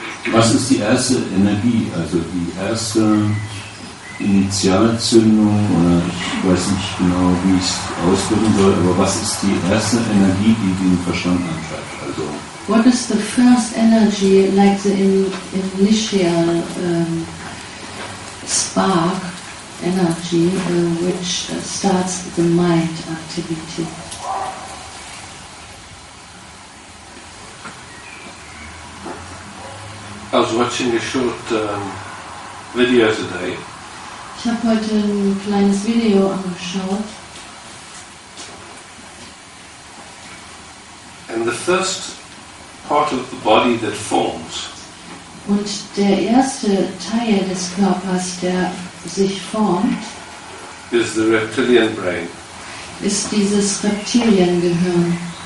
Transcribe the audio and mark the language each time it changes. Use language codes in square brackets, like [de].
[de] Was ist die erste Energie, also die erste Initialzündung, oder ich weiß nicht genau, wie ich es ausdrücken soll, aber was ist die erste Energie, die den Verstand antreibt? [en] What is the first energy, like the initial spark energy, which starts the mind activity? I was watching a short video today. [de] Ich habe heute ein kleines Video angeschaut. [en] And the first part of the body that forms. [de] Und der erste Teil des Körpers, der sich formt, [en] is the reptilian brain. [de] Ist dieses Reptiliengehirn.